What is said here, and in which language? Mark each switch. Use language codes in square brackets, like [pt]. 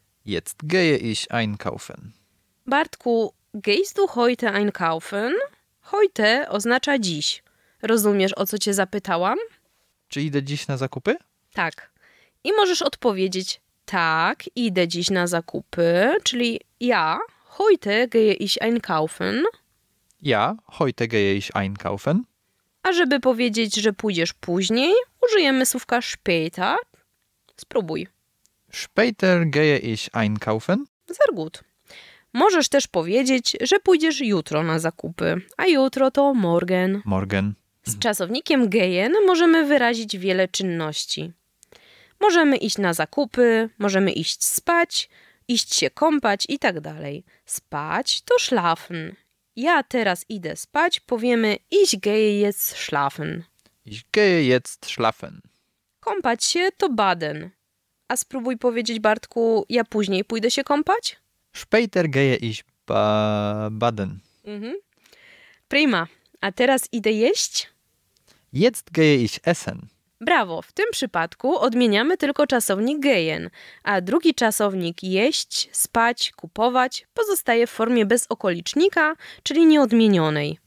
[de] Jetzt gehe ich einkaufen. Bartku, gehst du heute einkaufen? [pl] Heute oznacza dziś. Rozumiesz, o co cię zapytałam? Czy idę dziś na zakupy? Tak. I możesz odpowiedzieć tak, idę dziś na zakupy, czyli ja [de] heute gehe ich einkaufen. Ja heute gehe ich einkaufen. [pl] A żeby powiedzieć, że pójdziesz później, użyjemy słówka später. Spróbuj. [de] Später gehe ich einkaufen. Sehr gut. [pl] Możesz też powiedzieć, że pójdziesz jutro na zakupy, a jutro to morgen. [de] Morgen. [pl] Z czasownikiem gehen możemy wyrazić wiele czynności. Możemy iść na zakupy, możemy iść spać, iść się kąpać i tak dalej. Spać to schlafen. Ja teraz idę spać, powiemy [de] ich gehe jetzt schlafen. Ich gehe jetzt schlafen. [pl] Kąpać się to baden. A spróbuj powiedzieć, Bartku, ja później pójdę się kąpać? [de] Später gehe ich baden. [pl] Prima. A teraz idę jeść? [de] Jetzt gehe ich essen. [pl] Brawo. W tym przypadku odmieniamy tylko czasownik gehen, a drugi czasownik jeść, spać, kupować pozostaje w formie bez okolicznika, czyli nieodmienionej.